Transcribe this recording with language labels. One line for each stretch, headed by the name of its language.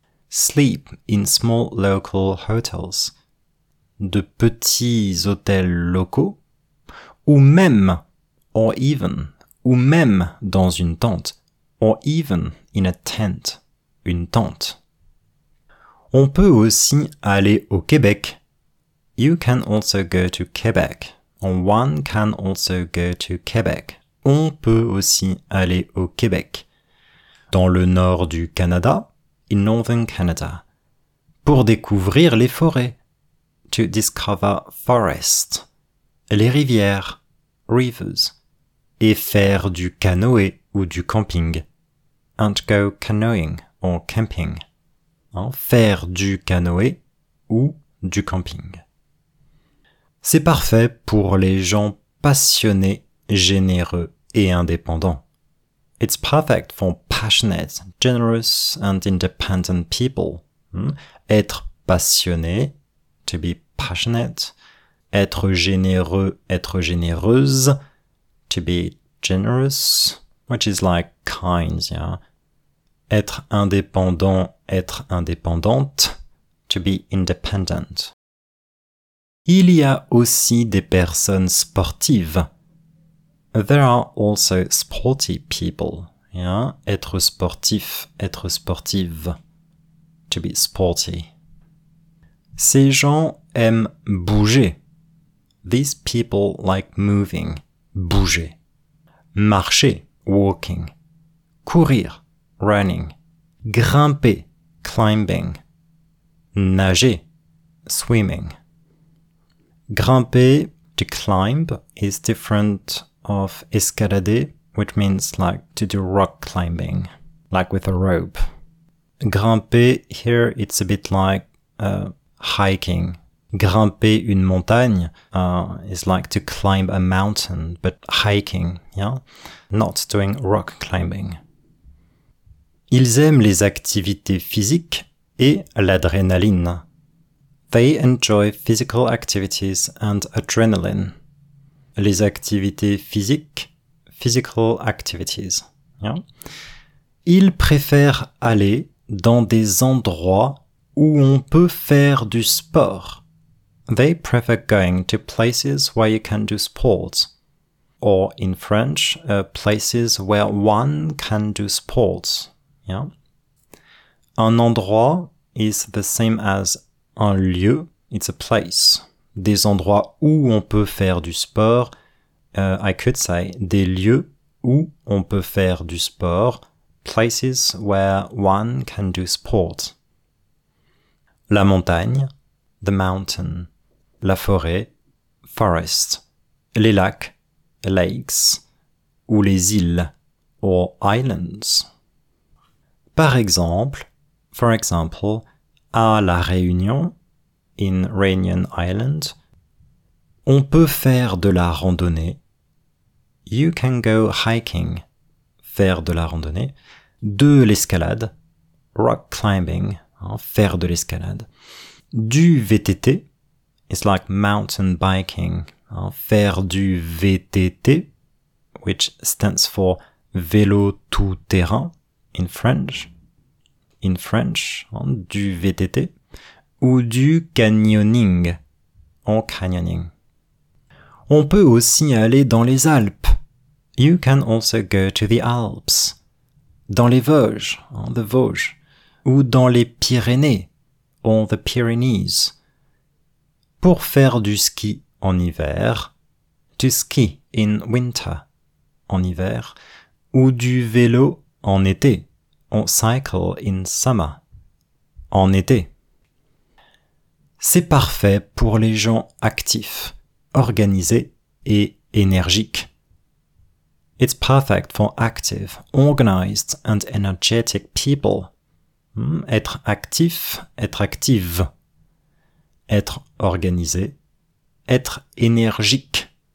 English: Sleep in small local hotels.
French: De petits hôtels locaux. Ou même,
English: or even,
French: ou même dans une tente.
English: Or even in a tent.
French: Une tente. On peut aussi aller au Québec.
English: You can also go to Québec. One can also go to Québec.
French: On peut aussi aller au Québec. Dans le nord du Canada.
English: In northern Canada.
French: Pour découvrir les forêts.
English: To discover forests.
French: Les rivières.
English: Rivers.
French: Et faire du canoë ou du camping.
English: And go canoeing or camping.
French: Hein, faire du canoë ou du camping. C'est parfait pour les gens passionnés, généreux et indépendants.
English: It's perfect for passionate, generous and independent people.
French: Être passionné,
English: to be passionate.
French: Être généreux, être généreuse,
English: to be generous, which is like kind, yeah.
French: Être indépendant, être indépendante,
English: to be independent.
French: Il y a aussi des personnes sportives.
English: There are also sporty people. Yeah?
French: Être sportif, être sportive.
English: To be sporty.
French: Ces gens aiment bouger.
English: These people like moving.
French: Bouger. Marcher.
English: Walking.
French: Courir.
English: Running.
French: Grimper.
English: Climbing.
French: Nager.
English: Swimming.
French: Grimper,
English: to climb, is different of escalader, which means like to do rock climbing, like with a rope. Grimper, here it's a bit like hiking.
French: Grimper une montagne
English: is like to climb a mountain, but hiking, yeah? Not doing rock climbing.
French: Ils aiment les activités physiques et l'adrénaline.
English: They enjoy physical activities and adrenaline.
French: Les activités physiques,
English: physical activities. Yeah.
French: Ils préfèrent aller dans des endroits où on peut faire du sport.
English: They prefer going to places where you can do sports. Or in French, places where one can do sports. Yeah. Un endroit is the same as un lieu, it's a place.
French: Des endroits où on peut faire du sport.
English: I could say
French: des lieux où on peut faire du sport.
English: Places where one can do sport.
French: La montagne.
English: The mountain.
French: La forêt.
English: Forest.
French: Les lacs.
English: Lakes.
French: Ou les îles.
English: Or islands.
French: Par exemple.
English: For example.
French: À La Réunion.
English: In Réunion Island,
French: on peut faire de la randonnée.
English: You can go hiking.
French: Faire de la randonnée. De l'escalade.
English: Rock climbing.
French: Hein, faire de l'escalade. Du VTT.
English: It's like mountain biking.
French: Hein, faire du VTT.
English: Which stands for vélo tout terrain. In French. In French.
French: Hein, du VTT. Ou du canyoning,
English: or canyoning.
French: On peut aussi aller dans les Alpes.
English: You can also go to the Alps.
French: Dans les Vosges, hein, the Vosges. Ou dans les Pyrénées,
English: or the Pyrenees.
French: Pour faire du ski en hiver.
English: To ski in winter,
French: en hiver. Ou du vélo en été,
English: or cycle in summer,
French: en été. C'est parfait pour les gens actifs, organisés et énergiques.
English: It's perfect for active, organized and energetic people.
French: Être actif, être active. Être organisé, être énergique.